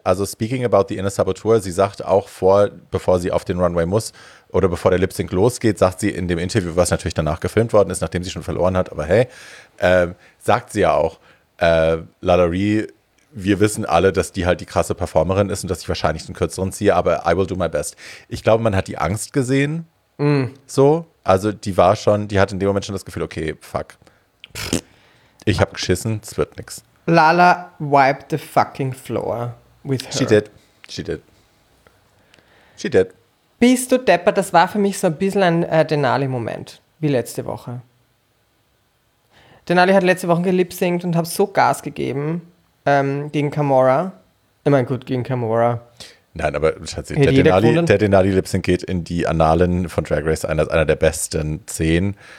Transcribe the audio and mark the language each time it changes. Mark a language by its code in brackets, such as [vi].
[en] Also speaking about the Inner Saboteur, [de] sie sagt auch bevor sie auf den Runway muss oder bevor der Lip-Sync losgeht, sagt sie in dem Interview, was natürlich danach gefilmt worden ist, nachdem sie schon verloren hat, aber hey, sagt sie ja auch, Lalari wir wissen alle, dass die halt die krasse Performerin ist und dass ich wahrscheinlich den kürzeren ziehe, aber [en] I will do my best. [de] Ich glaube, man hat die Angst gesehen. Mm. So. Also die war schon, die hat in dem Moment schon das Gefühl, okay, fuck. Ich hab geschissen, es wird nix. [en] Lala wiped the fucking floor with her. She did. She did. She did. [de] Bist du deppert? Das war für mich so ein bisschen ein Denali-Moment, wie letzte Woche. Denali hat letzte Woche gelipsynkt und hab so Gas gegeben gegen Kamora. Ich meine, gut, gegen Kamora. Nein, aber der Denali-Lipsync geht in die Annalen von Drag Race als einer der besten 10.